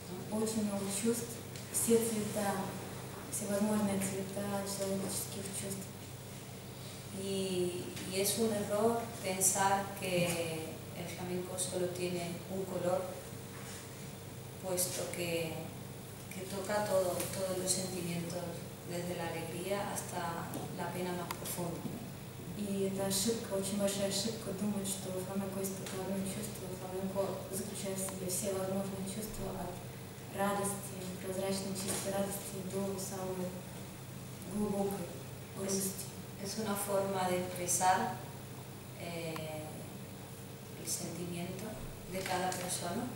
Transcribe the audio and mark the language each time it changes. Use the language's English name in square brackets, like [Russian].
[Russian] Очень много чувств, все цвета, всевозможные цвета человеческих чувств. И [Spanish] es un error pensar que el flamenco solo tiene un color, puesto que toca todos los sentimientos. Desde la alegría hasta la pena más profunda. [Russian] И это ошибка, очень большая ошибка, думать, что фламенко есть только одно чувство. Фламенко заключает в себе все возможные чувства, от радости, прозрачной чистой радости до самой глубокой грусти. [Spanish] Es una forma de expresar el sentimiento de cada persona.